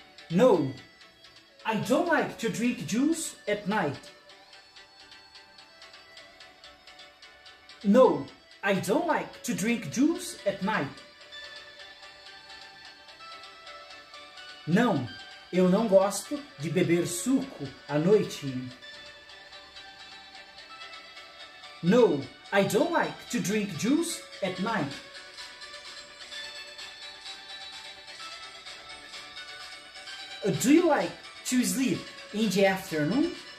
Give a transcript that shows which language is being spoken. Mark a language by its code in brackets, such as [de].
[en] No, I don't like to drink juice at night. No, I don't like to drink juice at night. [pt] Não, eu não gosto de beber suco à noite. [en] No, I don't like to drink juice at night. Do you like to sleep in the afternoon?